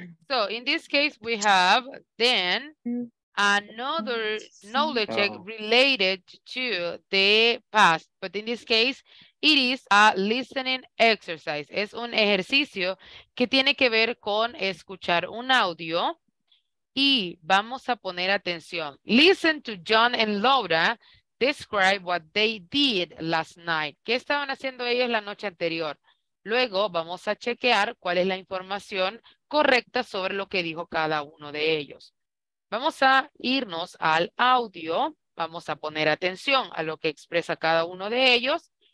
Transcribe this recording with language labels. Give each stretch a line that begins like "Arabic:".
English: So, in this case, we have then another knowledge check related to the past. But in this case, it is a listening exercise.
Spanish: Es un ejercicio que tiene que ver con escuchar un audio. Y vamos a poner atención.
English: Listen to John and Laura describe what they did last night.
Spanish: ¿Qué estaban haciendo ellos la noche anterior? Luego vamos a chequear cuál es la información correcta sobre lo que dijo cada uno de ellos. Vamos a irnos al audio. Vamos a poner atención a lo que expresa cada uno de ellos.